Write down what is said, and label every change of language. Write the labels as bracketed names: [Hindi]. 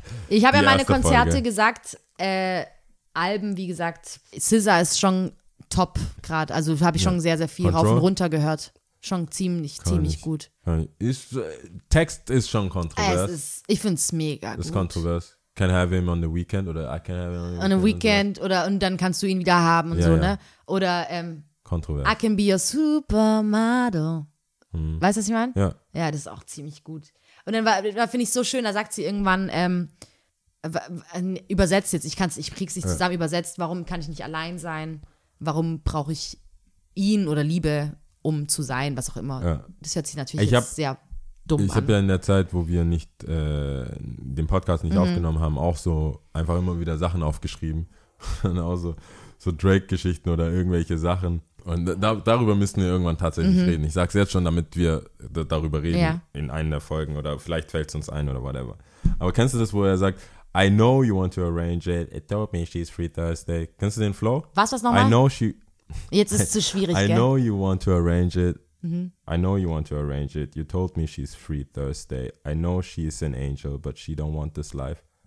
[German] Ich habe ja meine Konzerte gesagt, Alben, wie gesagt, SZA ist schon top gerade, also habe ich schon sehr, sehr viel rauf und runter gehört, schon ziemlich gut. Text ist schon kontrovers. Ich finde es mega gut. Ist kontrovers. [English] Can have him on the weekend oder I can have him on the weekend. [German] Oder und dann kannst du ihn wieder haben und ne? Oder kontrovers. [English] I can be your supermodel. Weißt du, was ich meine? [German] Ja. Ja, das ist auch ziemlich gut. Und dann war finde ich so schön, da sagt sie irgendwann, übersetzt jetzt, ich krieg's nicht zusammen übersetzt, warum kann ich nicht allein sein, warum brauche ich ihn oder Liebe, um zu sein, was auch immer. Ja. Das hört sich natürlich sehr dumm an. Ich habe ja in der Zeit, wo wir nicht den Podcast nicht aufgenommen haben, auch so einfach immer wieder Sachen aufgeschrieben. Und auch so Drake-Geschichten oder irgendwelche Sachen. Und darüber müssen wir irgendwann tatsächlich reden. Ich sag's jetzt schon, damit wir darüber reden in einer der Folgen oder vielleicht fällt's uns ein oder whatever. [English] Aber kennst du das, wo er sagt, I know you want to arrange it, it told me she's free Thursday. Kennst du den Flow? [German] Was nochmal? [English] I know she... [German] Jetzt ist es zu schwierig, gell? [English] I know you want to arrange it. Mhm. I know you want to arrange it. You told me she's free Thursday. I know she is an angel, but she don't want this life.